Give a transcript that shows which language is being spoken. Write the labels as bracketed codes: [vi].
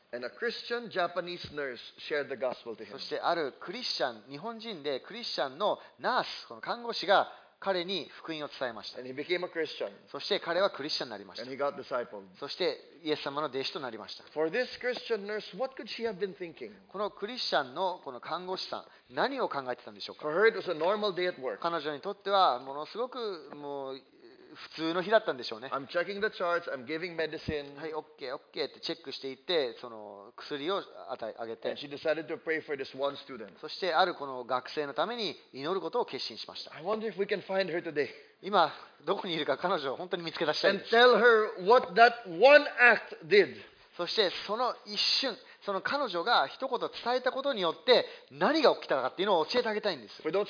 [en] And a Christian Japanese nurse shared the gospel to him. [ja] そしてあるクリスチャン、日本人でクリスチャンのナース、この看護師が彼に福音を伝えました。 [en] And he became a Christian. [ja] そして彼はクリスチャンになりました。 [en] And he got discipled. [ja] そしてイエス様の弟子となりました。 [en] For this Christian nurse, what could she have been thinking? [ja] このクリスチャンのこの看護師さん、何を考えてたんでしょうか。 [en] For her, it was a normal day at work. [ja] 彼女にとってはものすごくもう普通の日だったんでしょうね。 [en] I'm checking the charts. I'm giving medicine. [ja] はい、OK、OK ってチェックしていって、その薬を与えあげて。 [en] And she decided to pray for this one student. [ja] そしてあるこの学生のために祈ることを決心しました。 [en] I wonder if we can find her today. [ja] 今どこにいるか彼女を本当に見つけ出したいです。 [en] And tell her what that one act did. [ja] そしてその一瞬、その彼女が一言伝えたことによって何が起きたかっていうのを教えてあげたいんです。